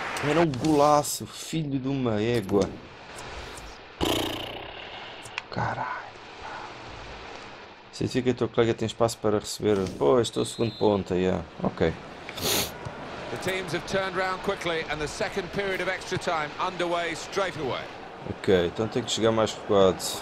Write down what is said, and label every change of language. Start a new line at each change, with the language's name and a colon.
Portuguese: Era um golaço, filho de uma égua. Caralho. Significa que o teu colega tem espaço para receber. Pô, estou a segunda ponta, Ok.
English: The teams have turned round quickly and the second period of extra time underway straight away.
Portuguese: Ok, então tenho que chegar mais recuado.